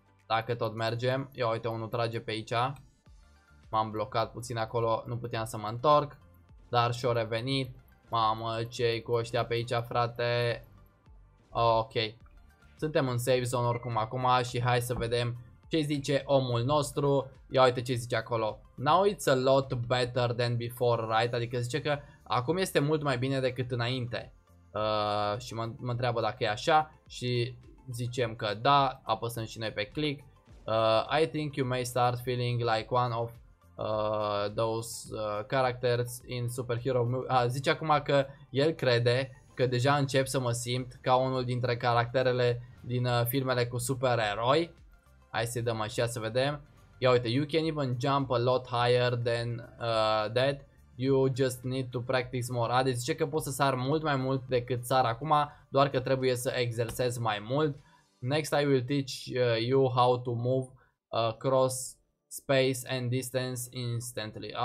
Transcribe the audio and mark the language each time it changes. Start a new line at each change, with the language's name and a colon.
Romanian: Dacă tot mergem, ia uite, unul trage pe aici. M-am blocat puțin acolo, nu puteam să mă întorc. Dar și-o revenit. Mamă, ce-i cu ăștia pe aici, frate. Ok. Suntem în
English: safe zone
Romanian: oricum acum și hai să vedem ce zice omul nostru. Ia uite ce zice acolo.
English: Now it's a lot better than before, right?
Romanian: Adică zice că acum este mult mai bine decât înainte. Și mă întreabă dacă e așa și zicem că da, apăsăm și noi pe click.
English: I think you may start feeling like one of those characters in superhero movie.
Romanian: Zice acum că el crede că deja încep să mă simt ca unul dintre caracterele din filmele cu supereroi. Hai să-i dăm așa să vedem. Ia uite,
English: you can even jump a lot higher than that. You just need to practice more.
Romanian: Deci zice că poți să sar mult mai mult decât sar acum, doar că trebuie să exersezi mai mult.
English: Next I will teach you how to move across space and distance instantly.